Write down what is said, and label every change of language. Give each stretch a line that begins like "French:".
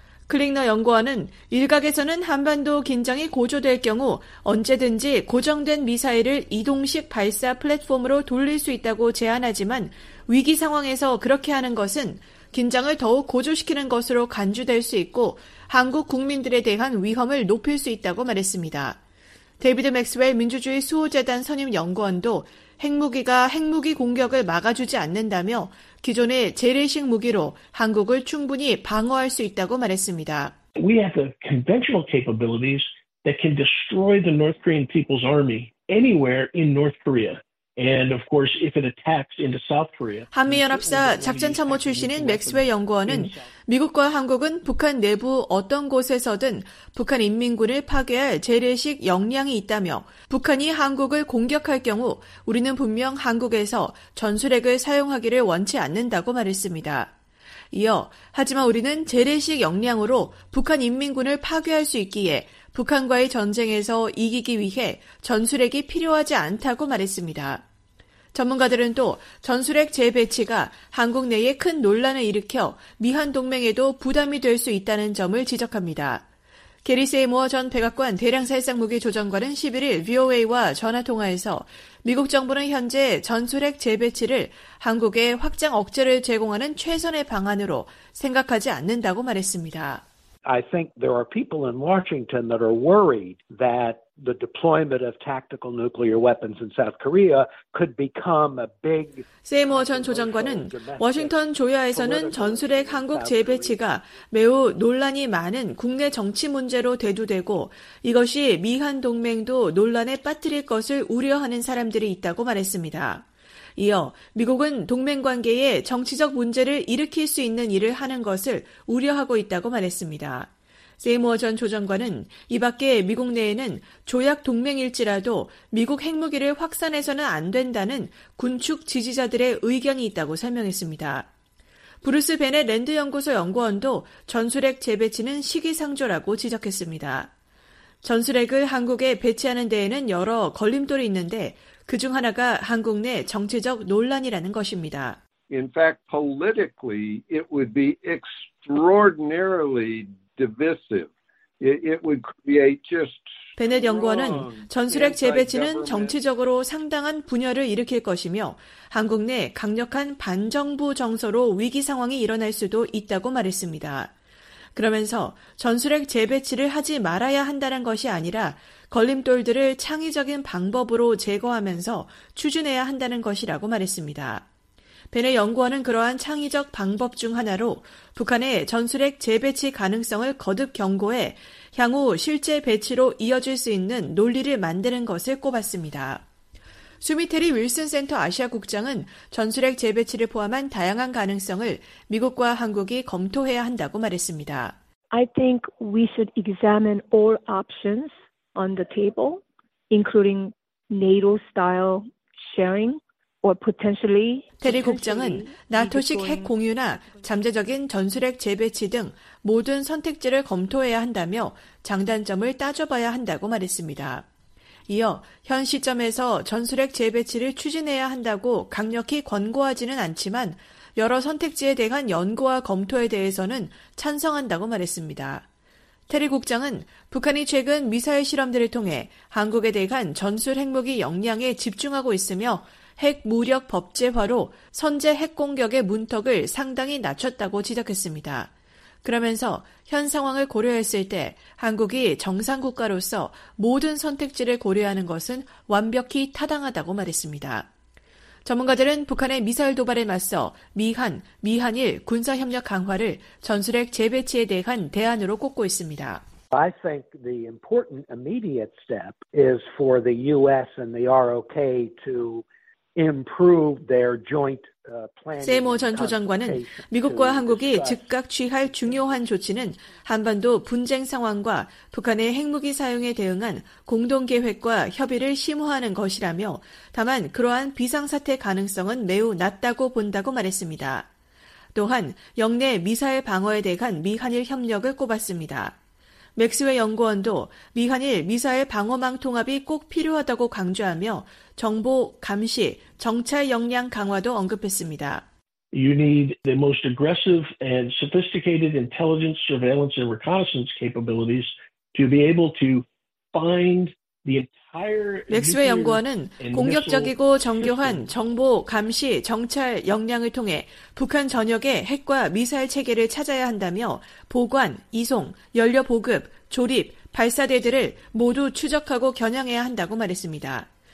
Korean: 클링너 연구원은 일각에서는 한반도 긴장이 고조될 경우 언제든지 고정된 미사일을 이동식 발사 플랫폼으로 돌릴 수 있다고 제안하지만 위기 상황에서 그렇게 하는 것은 긴장을 더욱 고조시키는 것으로 간주될 수 있고 한국 국민들에 대한 위험을 높일 수 있다고 말했습니다. 데이비드 맥스웰 민주주의 수호재단 선임 연구원도 핵무기가 핵무기 공격을 막아주지 않는다며 기존의 재래식 무기로 한국을 충분히 방어할 수 있다고 말했습니다.
English: We have the conventional capabilities that can destroy the North Korean people's army anywhere in North Korea. And of course, if it attacks into South Korea.
Korean: 한미연합사 작전참모 출신인 맥스웰 연구원은 미국과 한국은 북한 내부 어떤 곳에서든 북한 인민군을 파괴할 재래식 역량이 있다며 북한이 한국을 공격할 경우 우리는 분명 한국에서 전술핵을 사용하기를 원치 않는다고 말했습니다. 이어 하지만 우리는 재래식 역량으로 북한 인민군을 파괴할 수 있기에 북한과의 전쟁에서 이기기 위해 전술핵이 필요하지 않다고 말했습니다. 전문가들은 또 전술핵 재배치가 한국 내에 큰 논란을 일으켜 미한 동맹에도 부담이 될 수 있다는 점을 지적합니다. 게리 세이모어 전 백악관 대량살상무기 조정관은 11일 VOA와 전화통화에서 미국 정부는 현재 전술핵 재배치를 한국의 확장 억제를 제공하는 최선의 방안으로 생각하지 않는다고 말했습니다.
English: I think there are people in Washington that are worried that the deployment of tactical nuclear weapons in South Korea could become a big.
Korean: 세이머 전 조정관은 워싱턴 조야에서는 전술핵 한국 재배치가 매우 논란이 많은 국내 정치 문제로 대두되고 이것이 미한 동맹도 논란에 빠뜨릴 것을 우려하는 사람들이 있다고 말했습니다. 이어 미국은 동맹 관계에 정치적 문제를 일으킬 수 있는 일을 하는 것을 우려하고 있다고 말했습니다. 세이머 전 조정관은 이 밖에 미국 내에는 조약 동맹일지라도 미국 핵무기를 확산해서는 안 된다는 군축 지지자들의 의견이 있다고 설명했습니다. 브루스 베넷 랜드 연구소 연구원도 전술핵 재배치는 시기상조라고 지적했습니다. 전술핵을 한국에 배치하는 데에는 여러 걸림돌이 있는데 그중 하나가 한국 내 정치적 논란이라는 것입니다.
English: In fact, politically, it would be extraordinarily divisive. It would create just
Korean: 베넷 연구원은 전술핵 재배치는 정치적으로 상당한 분열을 일으킬 것이며 한국 내 강력한 반정부 정서로 위기 상황이 일어날 수도 있다고 말했습니다. 그러면서 전술핵 재배치를 하지 말아야 한다는 것이 아니라 걸림돌들을 창의적인 방법으로 제거하면서 추진해야 한다는 것이라고 말했습니다. 벤의 연구원은 그러한 창의적 방법 중 하나로 북한의 전술핵 재배치 가능성을 거듭 경고해 향후 실제 배치로 이어질 수 있는 논리를 만드는 것을 꼽았습니다. 수미테리 윌슨 센터 아시아 국장은 전술핵 재배치를 포함한 다양한 가능성을 미국과 한국이 검토해야 한다고 말했습니다.
English: I think we should examine all options on the table, including NATO-style sharing or potentially.
Korean: 테리 국장은 나토식 핵 공유나 잠재적인 전술핵 재배치 등 모든 선택지를 검토해야 한다며 장단점을 따져봐야 한다고 말했습니다. 이어 현 시점에서 전술핵 재배치를 추진해야 한다고 강력히 권고하지는 않지만 여러 선택지에 대한 연구와 검토에 대해서는 찬성한다고 말했습니다. 테리 국장은 북한이 최근 미사일 실험들을 통해 한국에 대한 전술 핵무기 역량에 집중하고 있으며 핵 무력 법제화로 선제 핵 공격의 문턱을 상당히 낮췄다고 지적했습니다. 그러면서 현 상황을 고려했을 때 한국이 정상 국가로서 모든 선택지를 고려하는 것은 완벽히 타당하다고 말했습니다. 전문가들은 북한의 미사일 도발에 맞서 미한, 미한일 군사협력 강화를 전술핵 재배치에 대한 대안으로 꼽고 있습니다.
English: I think the important immediate step is for the US and the ROK to improve their joint
Korean: 세모 전 조정관은 미국과 한국이 즉각 취할 중요한 조치는 한반도 분쟁 상황과 북한의 핵무기 사용에 대응한 공동계획과 협의를 심화하는 것이라며 다만 그러한 비상사태 가능성은 매우 낮다고 본다고 말했습니다. 또한 영내 미사일 방어에 대한 미한일 협력을 꼽았습니다. 맥스웰 연구원도 미한일 미사일 방어망 통합이 꼭 필요하다고 강조하며 정보, 감시, 정찰 역량 강화도 언급했습니다.
English: You need the most aggressive and sophisticated intelligence, surveillance and reconnaissance capabilities to be able to find
Korean: 맥스웰 연구원은 공격적이고 정교한 정보, 감시, 정찰 역량을 통해 북한 전역의 핵과 미사일 체계를 찾아야 한다며 보관, 이송, 연료 보급, 조립, 발사대들을 모두 추적하고 겨냥해야 한다고 말했습니다.